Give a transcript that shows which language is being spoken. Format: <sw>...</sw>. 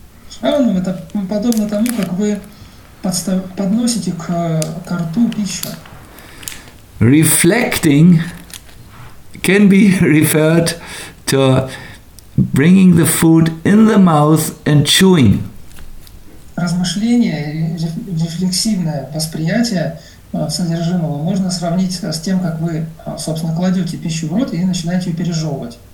<ru>Shravanam это подобно тому, как вы подносите к рту пищу.</ru> <en>Reflecting can be referred to bringing the food in the mouth and chewing.</en> <ru>Размышление, рефлексивное восприятие содержимого можно сравнить с тем, как вы, собственно, кладете пищу в рот и начинаете ее пережевывать.</ru>